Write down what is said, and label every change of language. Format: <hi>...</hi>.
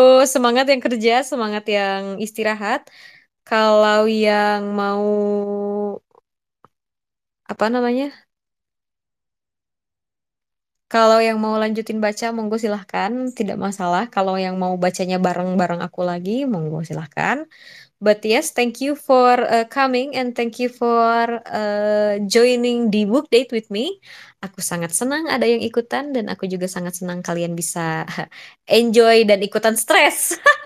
<id>Semangat yang kerja, semangat yang istirahat. Kalau yang mau apa namanya? Kalau yang mau lanjutin baca, monggo silahkan, tidak masalah. Kalau yang mau bacanya bareng-bareng aku lagi, monggo silahkan.</id> <en>But yes, thank you for coming and thank you for joining the book date with me.</en> <id>Aku sangat senang ada yang ikutan dan aku juga sangat senang kalian bisa enjoy dan ikutan stres.</id>